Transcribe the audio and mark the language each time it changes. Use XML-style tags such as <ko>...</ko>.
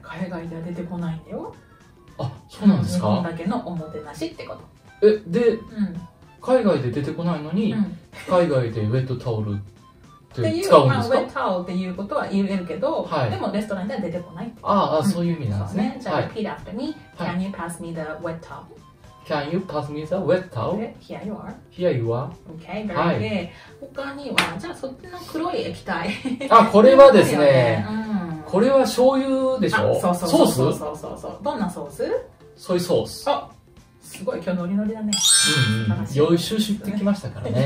<ja>海外では出てこないんだよ。あ、そうなんですか。日本だけのおもてなしってこと。え、で、うん、海外で出てこないのに、うん、海外でウェットタオルって使うんですか？っていう、まあ、ウェットタオルっていうことは言えるけど、はい、でもレストランでは出てこないって。ああ、そういう意味なんですね。</ja> <en>ね、じゃあ、 repeat after me. Can you pass me the wet towel? Can you pass me the wet towel? Here you are. Here you are. Okay, very good.</en> <ja>他には、じゃあそっちの黒い液体。あ、これはですね、うん、これは醤油でしょ？あ、そうそうそうそう、ソース？そうそうそう。どんなソース？ソイソース。あ、すごい、今日ノリノリだね。うんうん、予習しってきましたからね。</ja>